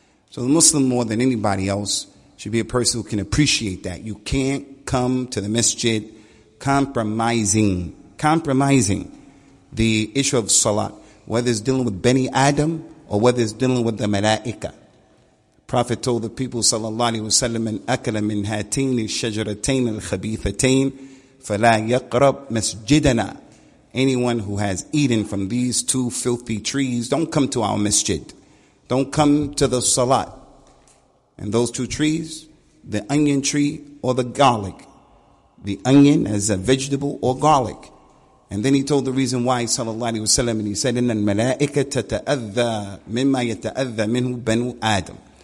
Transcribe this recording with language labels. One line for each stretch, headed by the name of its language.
English: So the Muslim, more than anybody else, should be a person who can appreciate that. You can't come to the masjid compromising. The issue of salat, whether it's dealing with Bani Adam or whether it's dealing with the Malaika. Prophet told the people, sallallahu alayhi wa sallam,
Arabic: من أكل من هاتين الشجرتين الخبيثتين فلا يقرب مسجدنا.
English: Anyone who has eaten from these two filthy trees, don't come to our masjid. Don't come to the salat. And those two trees, the onion tree or the garlic. The onion as a vegetable or garlic. And then he told the reason why, sallallahu alayhi wa sallam, and he said,
Arabic: إِنَّ الْمَلَائِكَ تَتَأَذَّى مِمَّا يَتَأَذَّى مِنْهُ بَنُوا آدَمُ.